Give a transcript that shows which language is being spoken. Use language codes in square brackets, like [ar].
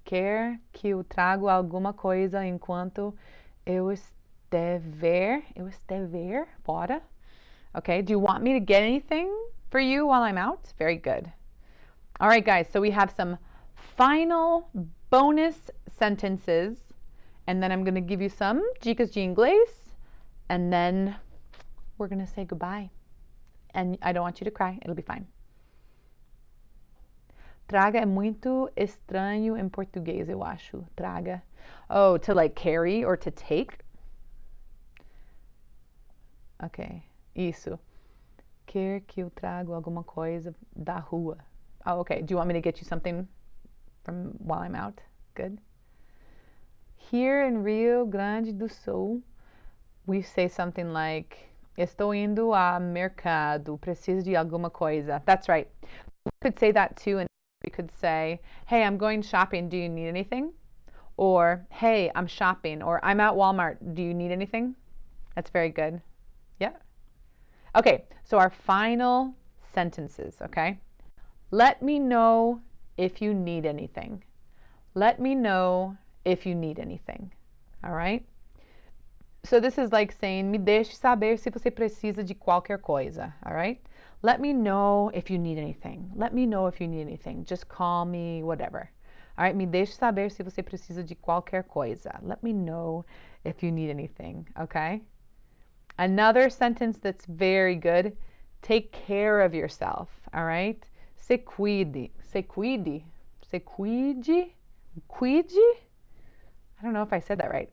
[pt] Quer que eu trago alguma coisa enquanto eu estiver fora? [en] Okay, do you want me to get anything for you while I'm out? Very good. All right, guys, so we have some final bonus sentences, and then I'm going to give you some Jika's Jinglace, and then we're going to say goodbye. And I don't want you to cry. It'll be fine. [pt] Traga é muito estranho em português, eu acho. Traga. [en] Oh, to like carry or to take? [pt] Okay, isso. Quer que eu trago alguma coisa da rua? [en] Oh, okay. Do you want me to get you something from while I'm out? Good. Here in Rio Grande do Sul, we say something like, [pt] estou indo a mercado, preciso de alguma coisa. [en] That's right. We could say that too, and we could say, hey, I'm going shopping, do you need anything? Or, hey, I'm shopping, or I'm at Walmart, do you need anything? That's very good. Yeah. Okay, so our final sentences, okay? Let me know if you need anything. Let me know if you need anything, all right? So this is like saying, [pt] me deixe saber se você precisa de qualquer coisa, [en] all right? Let me know if you need anything. Let me know if you need anything. Just call me, whatever. All right, [pt] me deixe saber se você precisa de qualquer coisa. [en] Let me know if you need anything, okay? Another sentence that's very good, take care of yourself, all right? [pt] Se cuide. [en] I don't know if I said that right.